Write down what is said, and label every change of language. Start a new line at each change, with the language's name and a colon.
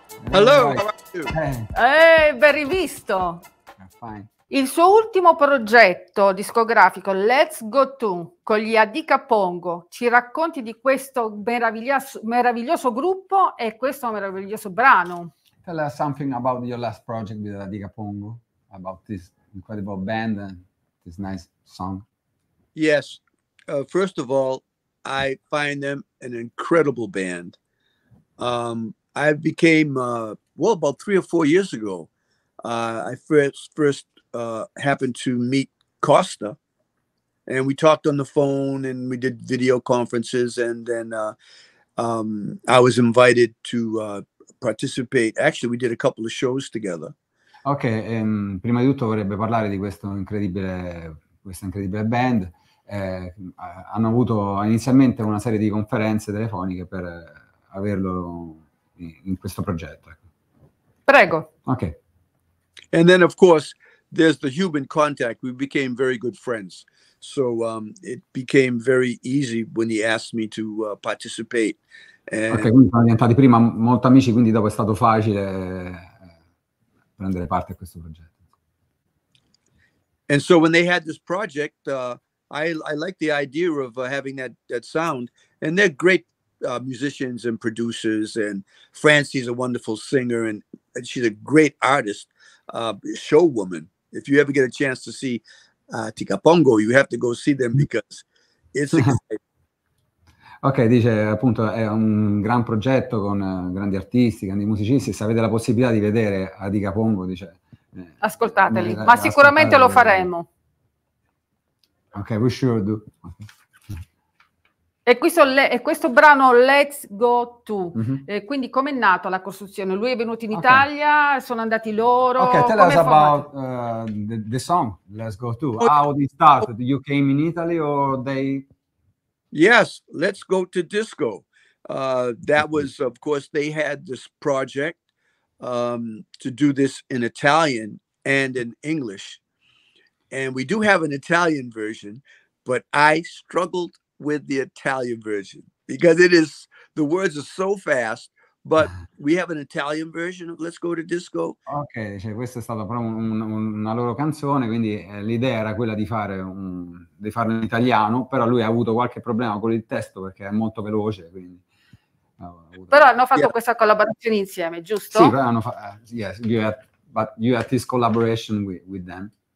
English: Hello, how are you?
Italian: Ben rivisto. Il suo ultimo progetto discografico, Let's Go To, con gli AD Capongo, ci racconti di questo meraviglioso gruppo e questo meraviglioso brano?
English: Tell us something about your last project with AD Capongo, about this incredible band and this nice song. Yes, first of all, I find them an incredible band. I became, about 3 or 4 years ago, I first happened to meet Costa, and we talked on the phone and we did video conferences, and then I was invited to participate. Actually, we did a couple of shows together.
Italian: Ok, prima di tutto vorrebbe parlare di questa incredibile band. Hanno avuto inizialmente una serie di conferenze telefoniche per averlo in questo progetto. Prego. Ok.
English: And then of course there's the human contact. We became very good friends. So it became very easy when he asked me to participate.
Italian: Ok, quindi sono diventati prima molto amici, quindi dopo è stato facile prendere parte a questo progetto.
English: And so when they had this project, I like the idea of having that sound, and they're great musicians and producers, and Francie's a wonderful singer, and she's a great artist, show woman. If you ever get a chance to see Ti Capongo, you have to go see them because it's exciting.
Italian: Ok, dice appunto è un gran progetto con grandi artisti, grandi musicisti. Se avete la possibilità di vedere AD Capongo, dice ascoltateli, ma sicuramente lo faremo.
English: Ok, we sure do.
Italian: E questo brano Let's Go To, quindi com'è nato la costruzione? Lui è venuto in Italia, sono andati loro.
English: Ok, tell us about the song Let's Go To. How did it start? You came in Italy or they? Yes, Let's Go To Disco. That was, of course, they had this project to do this in Italian and in English. And we do have an Italian version, but I struggled with the Italian version because the words are so fast, but we have an Italian version of Let's Go To Disco.
Italian: Okay, cioè questa è stata proprio una loro canzone, quindi l'idea era quella di fare di farlo in italiano, però lui ha avuto qualche problema con il testo perché è molto veloce, quindi. Però hanno fatto questa collaborazione insieme, giusto? Sì, però
English: you had this collaboration with them.